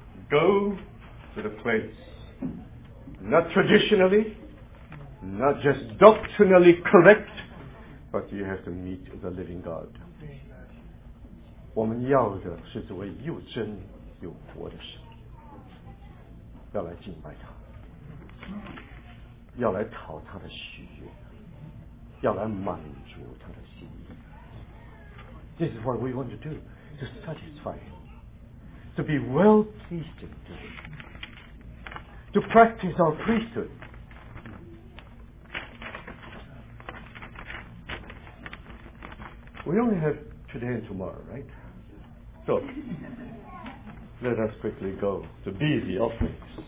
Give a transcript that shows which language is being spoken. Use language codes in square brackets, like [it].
[en] Go to the place, not traditionally, not just doctrinally correct, but you have to meet the living God. [zh] 我们要的是这位又真又活的神，要来敬拜他， 要来讨他的喜悦， 要来满足他的心意。 [en] This is what we want to do, to satisfy him, to be well pleased in him, to practice our priesthood. We only have today and tomorrow, right? So, let us quickly go to be the offerings.